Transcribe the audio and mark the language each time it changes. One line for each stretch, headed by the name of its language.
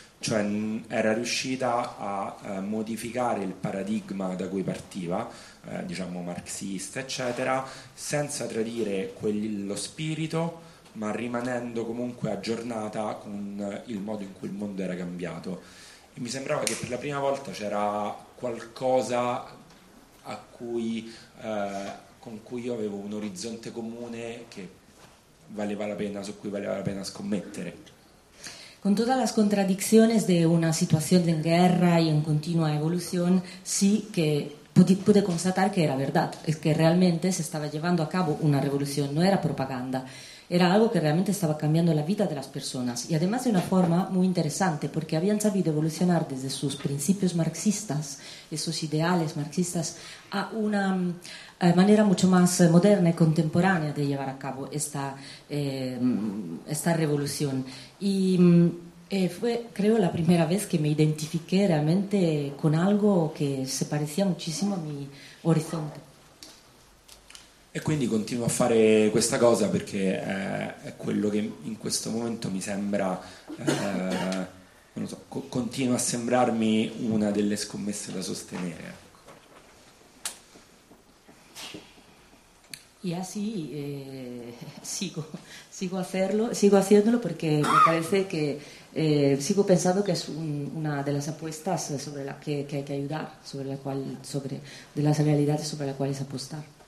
Italian: Cioè era riuscita a modificare il paradigma da cui partiva, diciamo marxista eccetera, senza tradire lo spirito, ma rimanendo comunque aggiornata con il modo in cui il mondo era cambiato. E mi sembrava che per la prima volta c'era qualcosa a cui, con cui io avevo un orizzonte comune che valeva la pena, su cui valeva la pena scommettere.
Spanish: Con todas las contradicciones de una situación de guerra y en continua evolución, sí que pude constatar que era verdad, es que realmente se estaba llevando a cabo una revolución, no era propaganda, era algo que realmente estaba cambiando la vida de las personas y además de una forma muy interesante, porque habían sabido evolucionar desde sus principios marxistas, esos ideales marxistas, a una manera mucho más moderna y contemporánea de llevar a cabo esta, esta revolución. Y fue, creo, la primera vez que me identifiqué realmente con algo que se parecía muchísimo a mi horizonte.
Italian: E quindi continuo a fare questa cosa perché è quello che in questo momento mi sembra, non lo so, continua a sembrarmi una delle scommesse da sostenere.
Spanish: Y así sigo haciéndolo porque me parece que sigo pensando que es una de las apuestas sobre la que hay que ayudar, de las realidades sobre las cuales apostar.